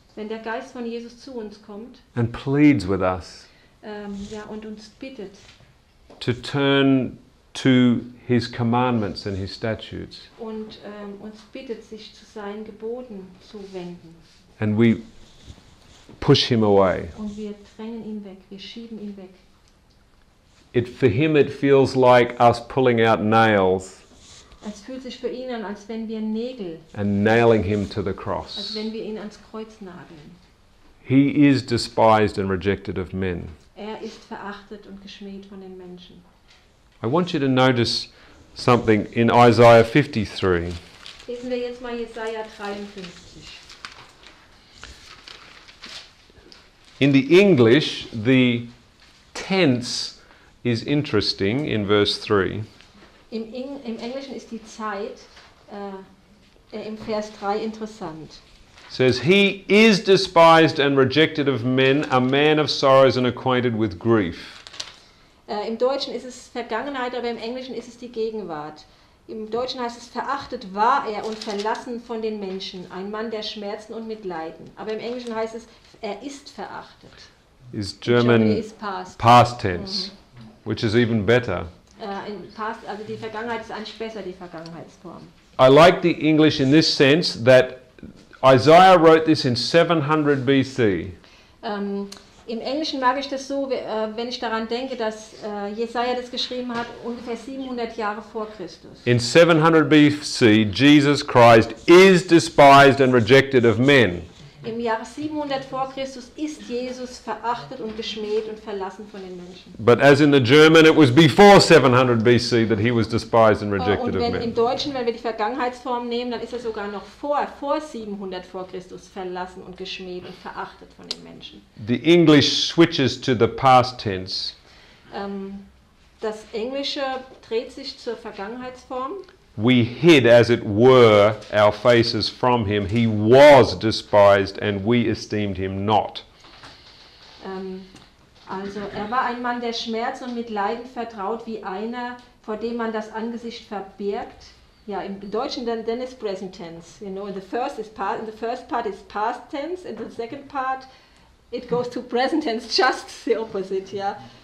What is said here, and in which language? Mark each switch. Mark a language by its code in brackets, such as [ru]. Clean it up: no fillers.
[de] wenn der Geist von Jesus zu uns kommt, [en] and pleads with us, [de] und uns bittet, [en] to turn to his commandments and his statutes, [de] und uns bittet, sich zu seinen Geboten zu wenden, [en] and we push him away. [de] Und wir drängen ihn weg. Wir schieben ihn weg. [en] It for him it feels like us pulling out nails. [de] Es fühlt sich für ihn an, als wenn wir Nägel. [en] And nailing him to the cross. [de] Als wenn wir ihn ans Kreuz nageln. [en] He is despised and rejected of men. [de] Er ist verachtet und geschmäht von den Menschen. [en] I want you to notice something in Isaiah 53. [de] Lesen wir jetzt mal Jesaja 53. [en] In the English, the tense is interesting in verse 3. [de] Im Englischen ist die Zeit im Vers 3 interessant. [en] Says, he is despised and rejected of men, a man of sorrows and acquainted with grief. [de] Im Deutschen ist es Vergangenheit, aber im Englischen ist es die Gegenwart. Im Deutschen heißt es, verachtet war er und verlassen von den Menschen, ein Mann der Schmerzen und mit Leiden. Aber im Englischen heißt es, er ist verachtet. [en] Is German is past tense, mm-hmm. Which is even better. In past, [de] also die Vergangenheit ist eigentlich besser, die Vergangenheitsform. [en] I like the English in this sense that Isaiah wrote this in 700 BC. [de] Im Englischen mag ich das so, wenn ich daran denke, dass Jesaja das geschrieben hat, ungefähr 700 Jahre vor Christus. [en] In 700 BC, Jesus Christ is despised and rejected of men. [de] Im Jahre 700 vor Christus ist Jesus verachtet und geschmäht und verlassen von den Menschen. [en] But as in the German, it was before 700 BC that he was despised and rejected of men. [de] Und wenn im Deutschen, wenn wir die Vergangenheitsform nehmen, dann ist er sogar noch vor 700 vor Christus verlassen und geschmäht und verachtet von den Menschen. [en] The English switches to the past tense. [de] Das Englische dreht sich zur Vergangenheitsform. [en] We hid, as it were, our faces from him. He was despised, and we esteemed him not. [de] Also, er war ein Mann, der Schmerz und mit Leiden vertraut, wie einer, vor dem man das Angesicht verbirgt. Ja, im Deutschen dann Dennis [en] present tense. You know, the first part is past tense, and the second part, it goes to present tense, just the opposite, ja. Yeah.